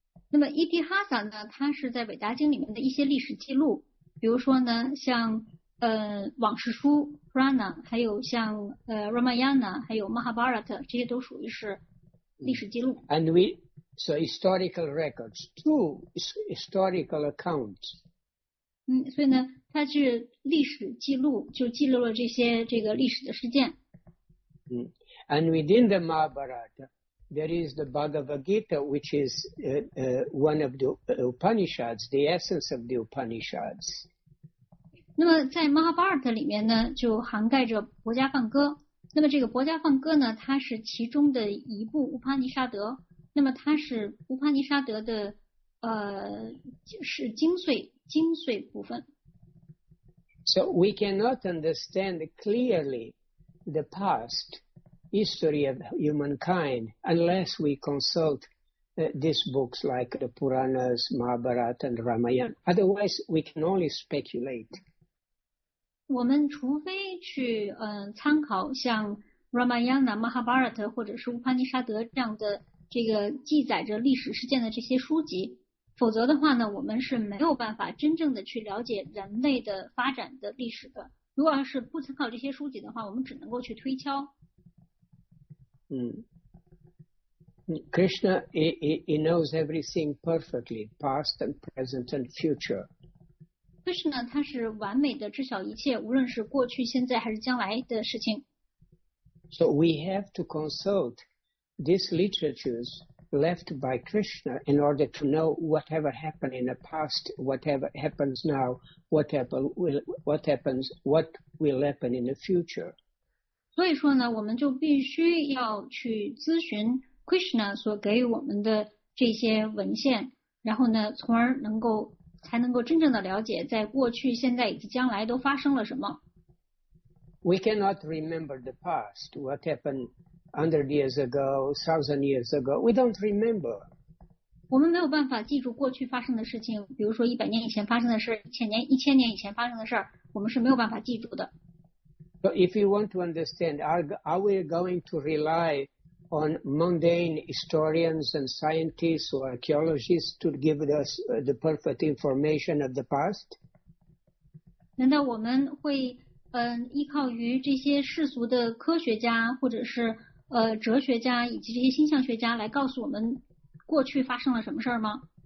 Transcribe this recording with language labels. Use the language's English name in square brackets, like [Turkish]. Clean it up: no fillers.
[Chinese] 那么 Itihasa 呢，它是在伟达经里面的一些历史记录，比如说呢，像往事书 Purana， 还有像Ramayana， 还有 Mahabharata， 这些都属于是历史记录。 [English] So historical records, two historical accounts. [Chinese] 所以呢，它是历史记录，就记录了这些这个历史的事件。 [English] And within the Mahabharata, there is the Bhagavad Gita, which is one of the Upanishads, the essence of the Upanishads. [Chinese] 那么在 Mahabharata 里面呢，就涵盖着《薄伽梵歌》。那么这个《薄伽梵歌》呢，它是其中的一部乌帕尼沙德。那么它是乌帕尼沙德的是精髓部分。 [English] So we cannot understand clearly the past history of humankind unless we consult these books like the Puranas, Mahabharata and Ramayana. Otherwise, we can only speculate. [Chinese] 我们除非去参考像 Ramayana, Mahabharata 或者是乌帕尼沙德这样的这个记载着历史事件的这些书籍。否则的话呢，我们是没有办法真正的去了解人类的发展的历史的。如果要是不参考这些书籍的话，我们只能够去推敲。 [English] Krishna, he knows everything perfectly, past and present and future. [Chinese] Krishna, 他是完美的知晓一切，无论是过去、现在还是将来的事情。 [English] So we have to consult these literatures. Left by Krishna in order to know whatever happened in the past, whatever happens now, what will happen in the future. [Chinese] 所以说呢，我们就必须要去咨询 Krishna 所给予我们的这些文献，然后呢，从而能够真正的了解在过去、现在以及将来都发生了什么。 [English] We cannot remember the past, what happened. 100 years ago, 1000 years ago, we don't remember. [Chinese] 我们没有办法记住过去发生的事情，比如说100年以前发生的事，1000年以前发生的事，我们是没有办法记住的。 [English] So if you want to understand, are we going to rely on mundane historians and scientists or archaeologists to give us the perfect information of the past? [Chinese] 难道我们会依靠于这些世俗的科学家或者是哲学家以及这些星象学家来告诉我们过去发生了什么事吗？